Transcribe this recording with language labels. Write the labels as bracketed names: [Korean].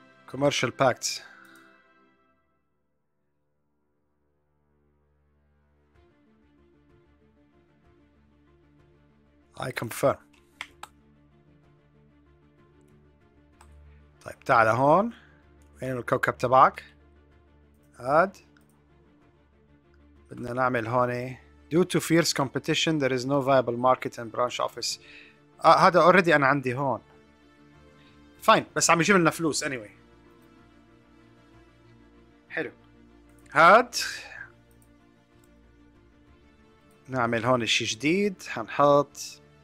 [English] Commercial packet اي confirm. [Arabic] طيب تعال هون وين الكوكب تبعك؟ هاد بدنا نعمل هون [English] due to fierce competition there is no viable market and branch office. [Arabic] هذا already أنا عندي هون fine بس عم يجيب لنا فلوس anyway. حلو هاد نعمل هون شيء جديد حنحط